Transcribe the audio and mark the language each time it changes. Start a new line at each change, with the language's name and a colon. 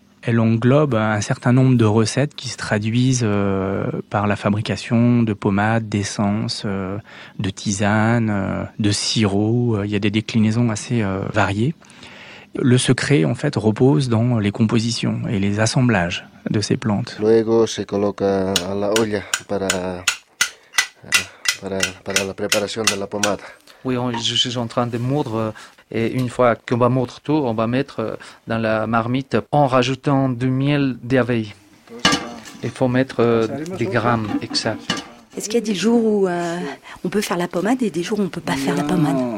French: Elle englobe un certain nombre de recettes qui se traduisent par la fabrication de pommades, d'essences, de tisanes, de sirops. Il y a des déclinaisons assez variées. Le secret, en fait, repose dans les compositions et les assemblages de ces plantes.
Spanish: Luego se coloca a la olla para la preparación de la pomada.
French: Oui, je suis en train de moudre. Et une fois qu'on va moudre tout, on va mettre dans la marmite en rajoutant du miel d'abeille. Il faut mettre des grammes exacts. Est-ce qu'il y a des jours où on peut faire la pommade et des jours où on ne peut pas faire la pommade?